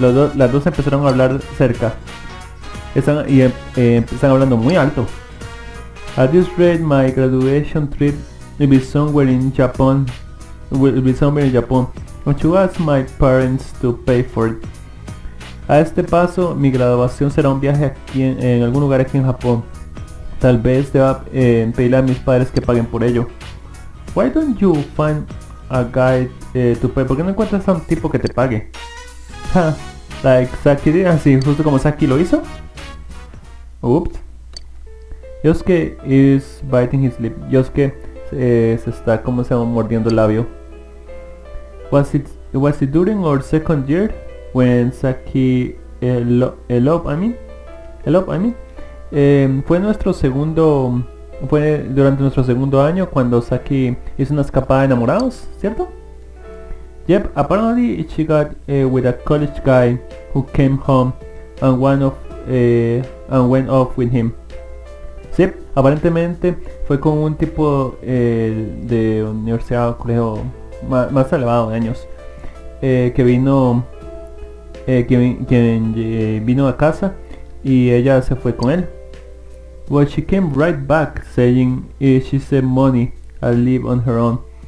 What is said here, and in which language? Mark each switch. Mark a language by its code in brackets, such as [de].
[es] Las dos empezaron a hablar cerca. Están hablando muy alto. [en] At this rate, my graduation trip will be somewhere in Japan. Don't you ask my parents to pay for it? [es] A este paso, mi graduación será un viaje aquí en algún lugar aquí en Japón. Tal vez deba pedirle a mis padres que paguen por ello. [en] Why don't you find a guy to pay? [es] ¿Por qué no encuentras a un tipo que te pague? Ja, [en] like Saki did, [es] así justo como Saki lo hizo. [en] Oops. Yosuke is biting his lip. [es] Yosuke se está como se llama mordiendo el labio. [en] Was it during our second year when Saki [es] fue durante nuestro segundo año cuando Saki hizo una escapada de enamorados, ¿cierto? [en] Yep, apparently she got with a college guy who came home and went off with him. [es] Sí, aparentemente fue con un tipo de universidad o colegio más elevado de años que vino a casa y ella se fue con él. [en] Well, she came right back saying she saved money and live on her own.